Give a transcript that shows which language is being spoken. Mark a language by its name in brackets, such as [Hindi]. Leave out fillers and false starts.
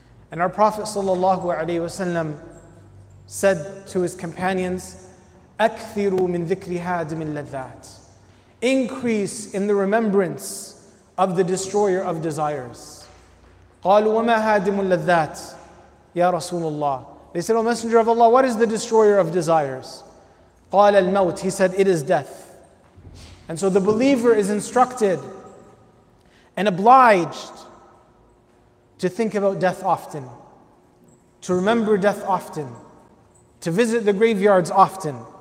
[English] And our Prophet sallallahu alaihi wasallam said to his companions, [Arabic] أكثروا من ذكر هادم اللذات. [English] Increase in the remembrance of the destroyer of desires. [Arabic] قالوا وما هادم اللذات يا رسول الله. [English] They said, O Messenger of Allah, what is the destroyer of desires? [Arabic] قال الموت. [English] He said, it is death. And so the believer is instructed and obliged to think about death often, to remember death often, to visit the graveyards often.